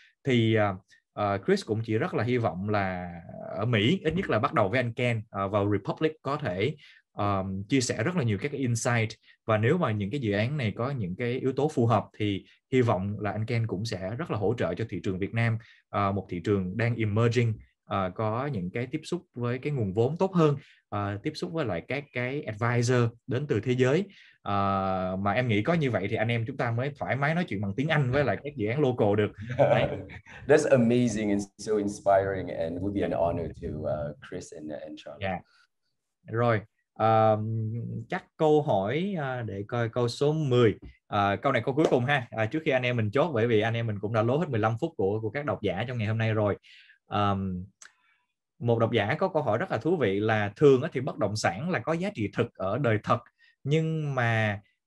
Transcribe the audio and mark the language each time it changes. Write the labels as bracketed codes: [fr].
[vi] Thì Chris cũng chỉ rất là hy vọng là ở Mỹ ít nhất là bắt đầu với anh Ken, vào Republic có thể chia sẻ rất là nhiều các insight, và nếu mà những cái dự án này có những cái yếu tố phù hợp thì hy vọng là anh Ken cũng sẽ rất là hỗ trợ cho thị trường Việt Nam, một thị trường đang emerging, có những cái tiếp xúc với cái nguồn vốn tốt hơn, tiếp xúc với lại các cái advisor đến từ thế giới, mà em nghĩ có như vậy thì anh em chúng ta mới thoải mái nói chuyện bằng tiếng Anh với lại các dự án local được. [en] That's amazing and so inspiring and would be an honor to Chris and Charlie. Yeah. [vi] Rồi. Chắc câu hỏi để coi câu số 10, câu này câu cuối cùng ha, trước khi anh em mình chốt, bởi vì anh em mình cũng đã lố hết 15 phút của các độc giả trong ngày hôm nay rồi. Một độc giả có câu hỏi rất là thú vị là thường thì bất động sản là có giá trị thực ở đời thật, nhưng mà